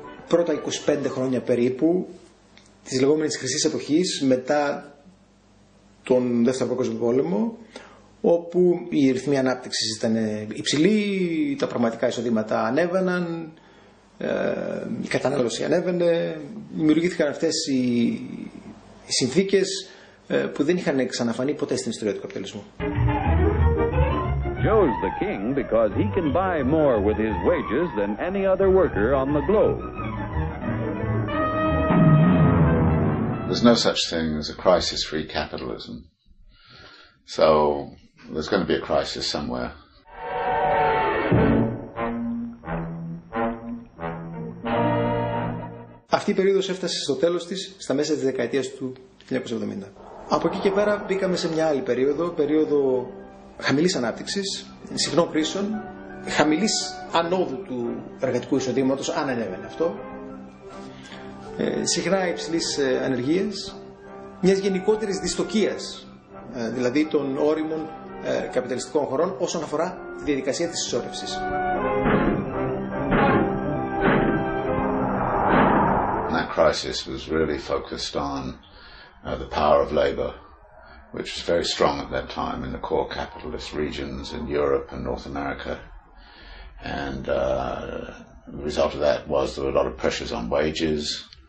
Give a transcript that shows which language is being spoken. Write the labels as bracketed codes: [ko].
[el] πρώτα 25 χρόνια περίπου της λεγόμενης χρυσής εποχής μετά τον Δεύτερο Παγκόσμιο Πόλεμο, όπου η ρυθμή ανάπτυξης ήταν υψηλή, τα πραγματικά εισοδήματα ανέβαιναν, η κατανάλωση ανέβαινε, δημιουργήθηκαν αυτές οι συνθήκες που δεν είχαν ξαναφανεί ποτέ στην ιστορία του καπιταλισμού. [en] Joe's the king because he can buy more with his wages than any other worker on the globe. There's no such thing as a crisis-free capitalism. So there's going to be a crisis somewhere. [el] Αυτή η περίοδος έφτασε στο τέλος της, στα μέσα της δεκαετίας του 1970. Από εκεί και πέρα μπήκαμε σε μια άλλη περίοδο, περίοδο χαμηλής ανάπτυξης, συχνών κρίσεων, χαμηλής ανόδου του εργατικού εισοδήματος, αν ανέβαινε αυτό, συχνά υψηλής ανεργίας, μιας γενικότερης δυστοκίας, δηλαδή των όριμων καπιταλιστικών χωρών όσον αφορά τη διαδικασία της συσσόρευσης. [en] That crisis was really focused on the power of labor, which was very strong at that time in the core capitalist regions in Europe and North America. And the result of that was there were a lot of pressures on wages.